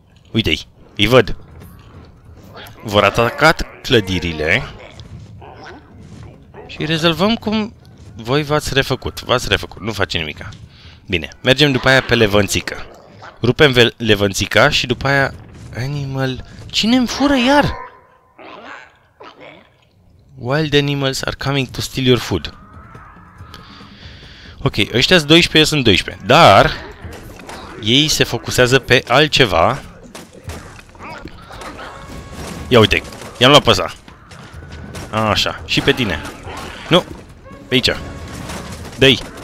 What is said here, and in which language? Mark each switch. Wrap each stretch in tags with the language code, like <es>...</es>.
<ro>Uite-i, îi văd. Vor ataca clădirile și rezolvăm cum voi v-ați refăcut. V-ați refăcut, nu face nimica. Bine, mergem după aia pe Levanțică. Rupem Levanțica și după aia... Animal... Cine-mi fură iar?</ro> <en>Wild animals are coming to steal your food.</en> <ro>Ok, ăștia sunt 12, eu sunt 12. Dar ei se focusează pe altceva. Ia uite, i-am luat pe ăsta. Așa, și pe tine. Nu, pe aici. Dă-i.</ro>